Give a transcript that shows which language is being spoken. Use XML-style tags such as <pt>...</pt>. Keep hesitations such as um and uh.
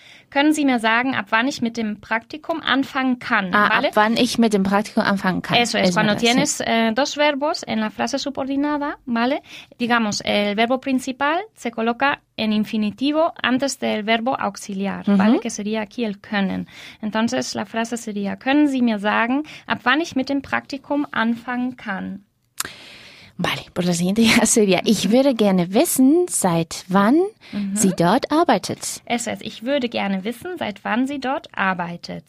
<de>Können Sie mir sagen, ab wann ich mit dem Praktikum anfangen kann? Ah, vale? Ab wann ich mit dem Praktikum anfangen kann.</de> <es>Eso es, es cuando interesse. tienes eh, äh, dos verbos en la frase subordinada, ¿vale? Digamos, el verbo principal se coloca en infinitivo antes del verbo auxiliar, mhm. ¿vale? Que sería aquí el können. Entonces, la frase sería,</es> <de>können Sie mir sagen, ab wann ich mit dem Praktikum anfangen kann?</de> <es>Vale, pues la siguiente</es> <de>ich würde gerne wissen, seit wann</de> <es>mhm.</es> <de>sie dort arbeitet. Es heißt, ich würde gerne wissen, seit wann sie dort arbeitet.</de>